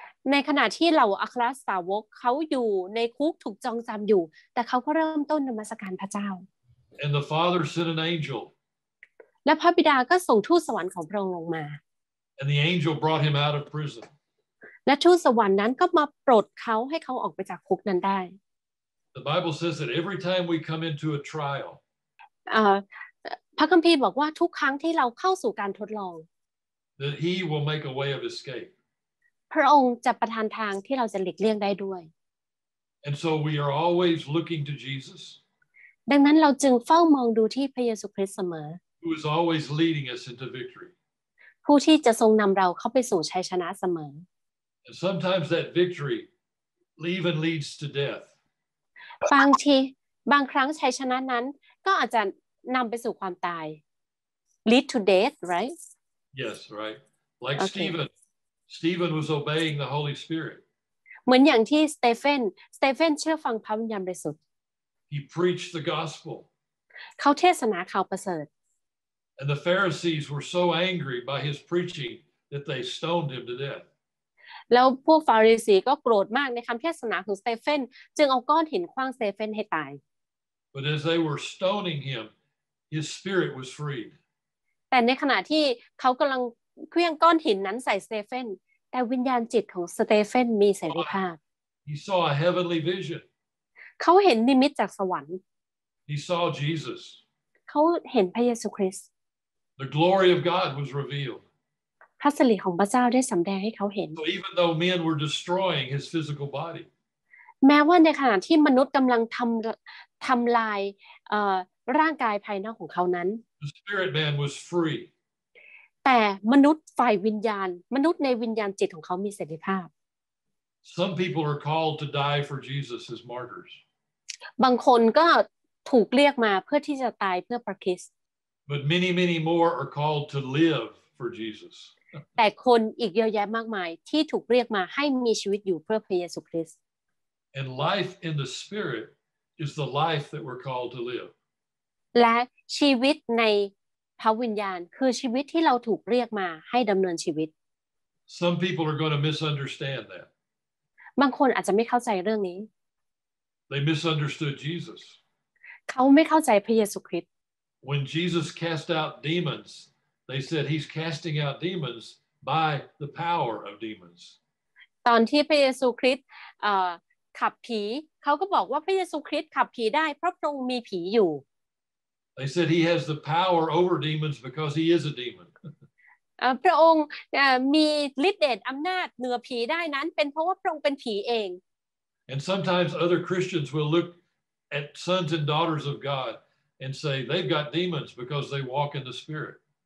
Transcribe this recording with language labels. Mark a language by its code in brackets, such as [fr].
[th] ในขณะที่เหล่าอัครสาวกเขาอยู่ในคุกถูกจองจำอยู่แต่เขาก็เริ่มต้นนมัสการพระเจ้า [en] And the Father sent an angel. [th] และพระบิดาก็ส่งทูตสวรรค์ของพระองค์ลงมา [en] And the angel brought him out of prison. [th] และทูตสวรรค์นั้นก็มาปลดเขาให้เขาออกไปจากคุกนั้นได้ [en] The Bible says that every time we come into a trial, [th] พระคัมภีร์บอกว่าทุกครั้งที่เราเข้าสู่การทดลอง [en] that He will make a way of escape. [th] พระองค์จะประทานทางที่เราจะหลีกเลี่ยงได้ด้วย [en] And so we are always looking to Jesus. [th] ดังนั้นเราจึงเฝ้ามองดูที่พระเยซูคริสต์เสมอ [en] Who is always leading us into victory. [th] ผู้ที่จะทรงนำเราเข้าไปสู่ชัยชนะเสม [en] อ And sometimes that victory even leads to death. [th] บางทีบางครั้งชัยชนะนั้นก็อาจจะนำไปสู่ความตาย [en] lead to death right yes right like okay. Stephen was obeying the Holy Spirit [th] เหมือนอย่างที่สเตเฟนเชื่อฟังพระวิญญาณบริสุทธิ์ [en] he preached the gospel [th] เขาเทศนาข่าวประเสริฐ [en] and the Pharisees were so angry by his preaching that they stoned him to death [th] แล้วพวกฟาริสีก็โกรธมากในคำเทศนาของสเตเฟนจึงเอาก้อนหินขว้างสเตเฟนให้ตาย [en] But as they were stoning him, his spirit was freed. [th] แต่ในขณะที่เขากำลังเคลื่อนก้อนหินนั้นใส่สเตเฟนแต่วิญญาณจิตของสเตเฟนมีเสรีภาพ [en] He saw a heavenly vision. [th] เขาเห็นนิมิตจากสวรรค์ [en] He saw Jesus. [th] เขาเห็นพระเยซูคริสต์ [en] The glory of God was revealed. [th] พระสิริของพระเจ้าได้สำแดงให้เขาเห็น [en] So even though men were destroying his physical body [th] แม้ว่าในขณะที่มนุษย์กำลังทำลายร่างกายภายนอกของเขานั้น [en] The spirit man was free [th] แต่มนุษย์ฝ่ายวิญญาณมนุษย์ในวิญญาณจิตของเขามีเสรีภาพ [en] Some people are called to die for Jesus as martyrs [th] บางคนก็ถูกเรียกมาเพื่อที่จะตายเพื่อพระคริสต์ [en] But many many more are called to liveFor Jesus. [th] แต่คนอีกเยอะแยะมากมายที่ถูกเรียกมาให้มีชีวิตอยู่เพื่อพระเยซูคริสต์ [en] And life in the spirit is the life that we're called to live. [th] และชีวิตในพระวิญญาณคือชีวิตที่เราถูกเรียกมาให้ดำเนินชีวิต [en] Some people are going to misunderstand that. [th] บางคนอาจจะไม่เข้าใจเรื่องนี้ [en] They misunderstood Jesus. [th] เขาไม่เข้าใจพระเยซูคริสต์ [en] When Jesus cast out demons,They said he's casting out demons by the power of demons. [th] ตอนที่พระเยซูคริสต์ขับผีเขาก็บอกว่าพระเยซูคริสต์ขับผีได้เพราะพระองค์มีผีอยู่ [en] They said he has the power over demons because he is a demon. [th] พระองค์มีฤทธิ์เดชอำนาจเหนือผีได้นั้นเป็นเพราะว่าพระองค์เป็นผีเอง [en] And sometimes other Christians will look at sons and daughters of God and say they've got demons because they walk in the spirit.